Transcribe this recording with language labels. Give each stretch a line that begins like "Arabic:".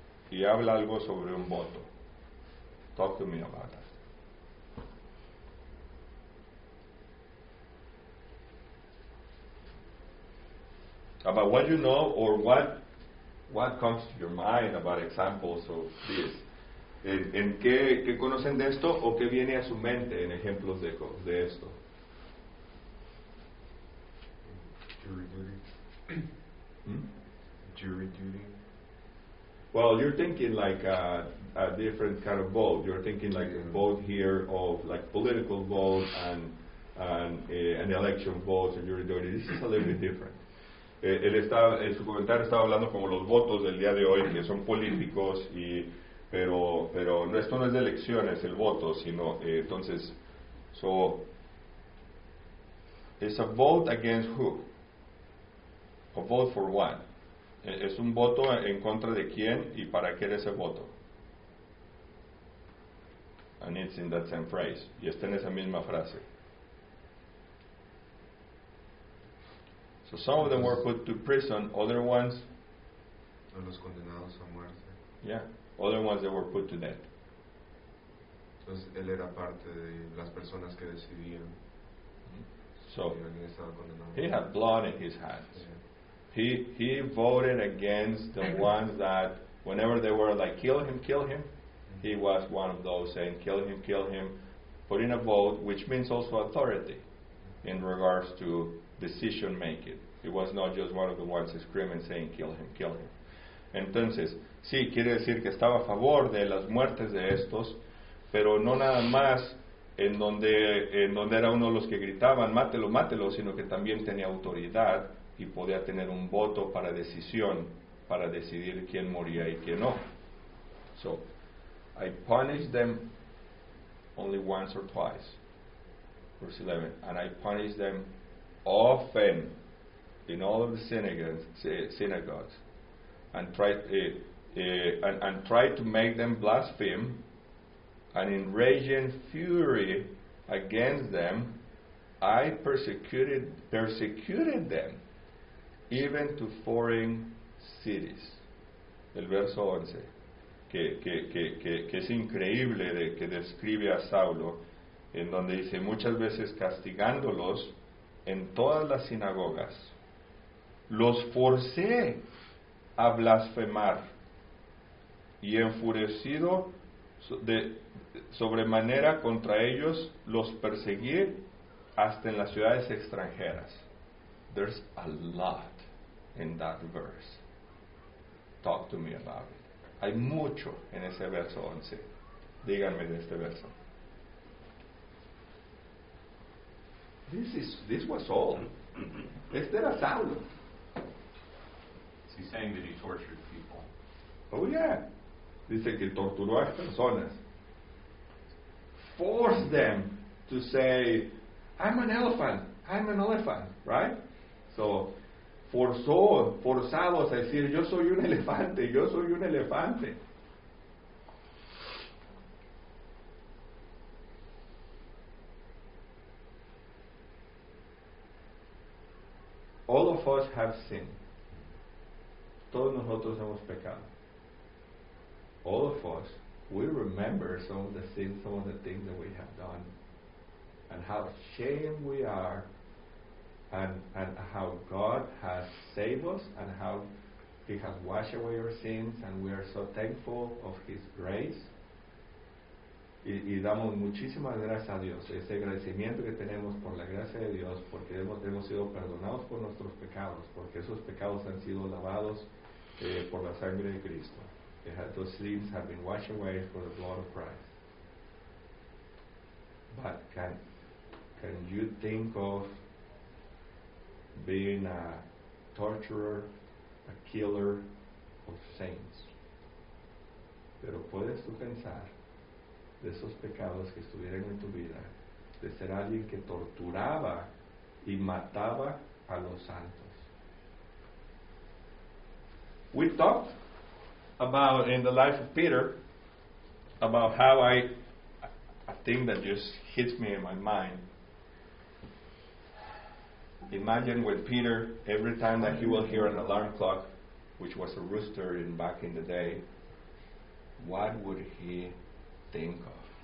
Spanish: He habla algo sobre un voto.
English: Talk to me about that. About what you know, or what comes to your mind about examples of this.
Spanish: ¿En qué conocen de esto, o qué viene a su mente en ejemplos de esto?
English: Jury duty. Jury duty. Well, you're thinking like a different kind of vote. You're thinking like a vote here of like political vote and an election vote and jury duty. This is a little bit different.
Spanish: En su comentario estaba hablando como los votos del día de hoy, que son políticos, y pero no, esto no es de elecciones, el voto, sino entonces,
English: so it's a vote against who? A vote for what?
Spanish: Es un voto en contra de quién y para qué es ese voto. And it's in that same phrase. Y está en esa misma frase.
English: So some of them were put to prison, other ones.
Spanish: A los condenados a muerte.
English: Yeah, other ones they were put to death.
Spanish: Entonces él era parte de las personas que decidían.
English: So he had blood in his hands. He voted against the ones that whenever they were like kill him, he was one of those saying kill him, putting a vote, which means also authority in regards to decision making. It was not just one of the ones screaming saying kill him.
Spanish: Entonces, sí, quiere decir que estaba a favor de las muertes de estos, pero no nada más en donde era uno de los que gritaban mátelo, sino que también tenía autoridad y podía tener un voto para decisión, para decidir quién moría y quién no.
English: So, I punished them only once or twice. Verse 11. And I punished them often in all of the synagogues and tried to make them blaspheme, and in raging fury against them, I persecuted them even to foreign cities.
Spanish: El verso 11, que es increíble, de que describe a Saulo, en donde dice muchas veces castigándolos en todas las sinagogas, los forcé a blasfemar, y enfurecido de sobremanera contra ellos, los perseguí hasta en las ciudades extranjeras.
English: There's a lot in that verse. Talk to me about it.
Spanish: Hay mucho en ese verso 11. Díganme de este verso.
English: This was all.
Spanish: Este era Saulo.
English: Is he saying that he tortured people? Oh yeah.
Spanish: Dice que torturó a personas.
English: Force them to say, I'm an elephant, right?
Spanish: So forzados a decir, yo soy un elefante.
English: All of us have sinned.
Spanish: Todos nosotros hemos pecado.
English: All of us, we remember some of the sins, some of the things that we have done, and how ashamed we are, and how God has saved us, and how He has washed away our sins, and we are so thankful of His grace.
Spanish: Y damos muchísimas gracias a Dios, ese agradecimiento que tenemos por la gracia de Dios, porque hemos sido perdonados por nuestros pecados, porque esos pecados han sido lavados por la sangre de Cristo.
English: Those sins have been washed away for the blood of Christ. But can you think of being a torturer, a killer of saints?
Spanish: Pero puedes tú pensar de esos pecados que estuvieran en tu vida, de ser alguien que torturaba y mataba a los santos.
English: We talked about in the life of Peter, about how a thing that just hits me in my mind. Imagine with Peter, every time that he will hear an alarm clock, which was a rooster in back in the day, what would he think of?